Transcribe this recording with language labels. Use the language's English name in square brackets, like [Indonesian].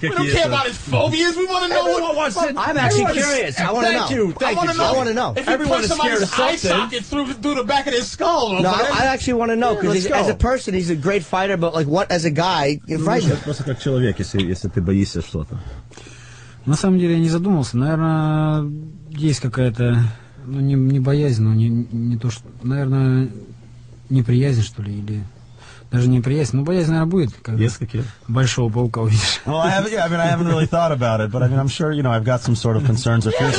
[English] We don't care about his phobias. We want to know everyone what I'm actually curious. I want to know. Thank you. I want to know. If everyone's scared of something. Eye socket through the back of his skull. No, I actually want to know because as a person, he's a great fighter. But like, what as a guy, you fight him? [Russian] Просто как человек, если ты боишься что-то. На самом деле, я не задумывался. Наверное, есть какая-то, не боязнь, но не то что, наверное. Неприязнь, что ли, или... Даже неприязнь. Ну, боязнь, наверное, будет, когда большого паука увидишь. [English] Well, I haven't really thought about it, but I'm sure, you know, I've got some sort of concerns or fears.